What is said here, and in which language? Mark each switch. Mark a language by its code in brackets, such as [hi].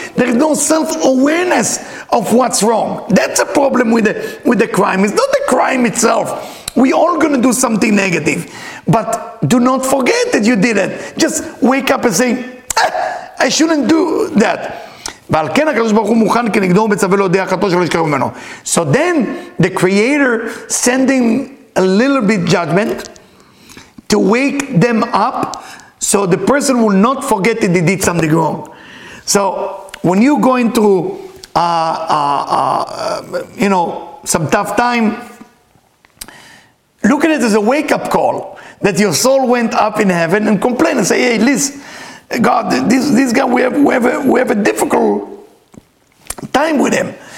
[en] There is no self-awareness of what's wrong. That's a problem with the crime. It's not the crime itself. We all going to do something negative. But do not forget that you did it. Just wake up and say, "I shouldn't do that." [he] ועל כן הקדוש ברוך הוא מוכן כנגדו ומצווה להודיע חטאו שלא ישכח ממנו. [en] So then the creator sending a little bit judgment to wake them up so the person will not forget that they did something wrong. So when you go into some tough time, look at it as a wake-up call that your soul went up in heaven and complained and say, "Hey, listen, God, this guy, we have a difficult time with him."